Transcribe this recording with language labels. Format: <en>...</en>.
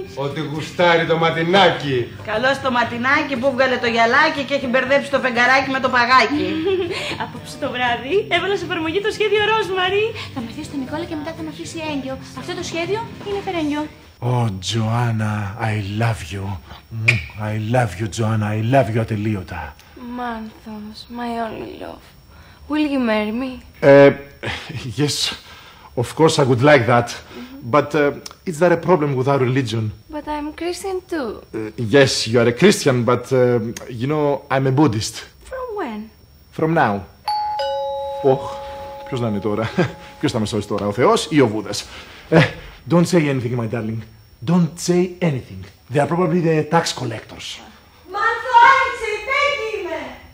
<el>Ότι γουστάρει το ματινάκι. Καλώς το ματινάκι που βγάλε το γυαλάκι και έχει μπερδέψει το φεγγαράκι με το παγάκι. Απόψε το βράδυ, έβαλα σε εφαρμογή το σχέδιο Ρόζμαρη. Θα με αφήσει τον Νικόλα και μετά θα με αφήσει έγκυο. Αυτό το σχέδιο είναι φερέγγυο.</el> <en>Oh, Joanna, I love you. I love you, Joanna. I love you ατελείωτα. Μάνθος, my only love. Will you marry me? Yes, of course I would like that. Mm-hmm. But is there a problem with our religion? But I'm Christian too. Yes, you are a Christian, but you know, I'm a Buddhist. From when? From now.</en> <el>Oh, ποιος να είναι τώρα. Ποιος θα με σώσει τώρα, ο Θεός ή ο Βούδας.</el> <en>Don't say anything, my darling. Don't say anything. They are probably the tax collectors.</en> <el>Μάρθω, άνοιξε, η Peggy είμαι!</el>